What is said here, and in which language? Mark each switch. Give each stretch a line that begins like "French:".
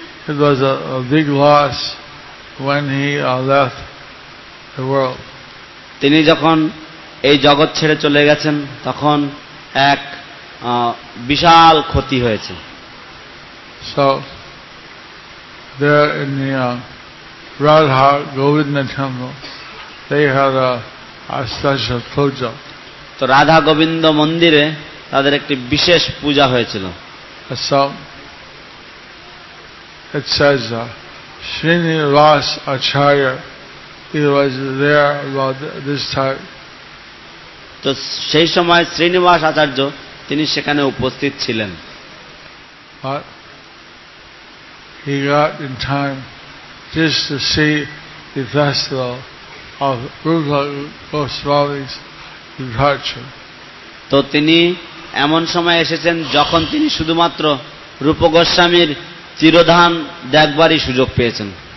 English: It was a big loss when he left the world.
Bangla: তিনি যখন এই জগৎ ছেড়ে চলে গেছেন তখন এক বিশাল ক্ষতি হয়েছে।
English: So there in the Radha Govinda temple, they had a special puja.
Bangla: তো রাধা গোবিন্দ মন্দিরে তাদের একটি বিশেষ পূজা হয়েছিল।
English: It says Srinivas Acharya, he was there about this time.
Bangla: তো সেই সময় শ্রীনিবাস আচার্য তিনি সেখানে উপস্থিত ছিলেন।
English: But he got in time just to see the festival of Rupa Goswami's departure.
Bangla: তো তিনি এমন সময় এসেছেন যখন তিনি শুধুমাত্র রূপ গোস্বামীর চিরধান দেখবারই সুযোগ পেয়েছেন।